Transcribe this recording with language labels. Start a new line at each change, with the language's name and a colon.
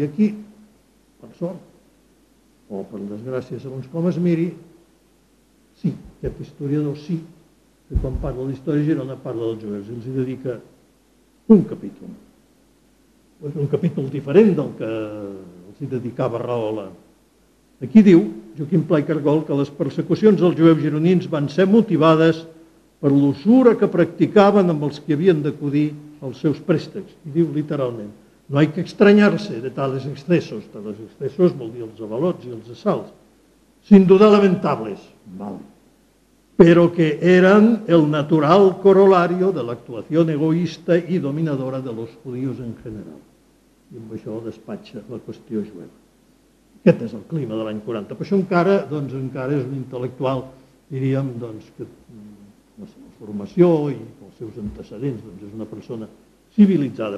Catalan: I aquí, per sort, o per desgràcia, segons com es miri, sí, aquest historiador sí, que quan parla d'història Girona parla dels jueus, els hi dedica un capítol. És un capítol diferent del que s'hi dedicava Rahola. Aquí diu Joaquim Pla i Cargol que les persecucions dels jueus gironins van ser motivades per l'usura que practicaven amb els que havien d'acudir als seus préstecs. I diu literalment,
Spanish: no hay que extrañarse de tales excesos. Tales excesos
Catalan: vol dir els avalots i els assalts.
Spanish: Sin duda lamentables, vale. Pero que eran el natural corolario de l'actuación egoísta y dominadora de los judíos en general.
Catalan: I amb això despatxa la qüestió jueva. Aquest és el clima de l'any 40. Per això encara, doncs, encara és un intel·lectual, diríem, doncs, que la seva formació i els seus antecedents, doncs, és una persona civilitzada.